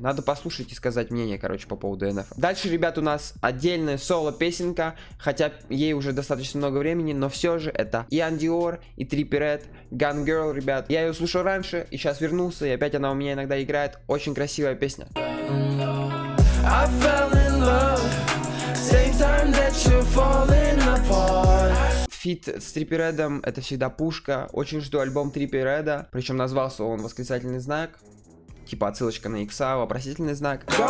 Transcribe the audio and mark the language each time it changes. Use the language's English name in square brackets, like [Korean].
[Russian] Надо послушать и сказать мнение, короче, по поводу NF. Дальше, ребят, у нас отдельная соло-песенка. Хотя ей уже достаточно много времени. Но все же это Ian Dior и Trippie Redd, Gun Girl, ребят. Я ее слушал раньше и сейчас вернулся. И опять она у меня иногда играет. Очень красивая песня. [English] I fell in love. Same time that you're falling apart. [Russian] Фит с Trippie Redd'ом, это всегда пушка. Очень жду альбом Trippie Redd'а. Причем назвался он восклицательный знак. Типа отсылочка на икса, вопросительный знак.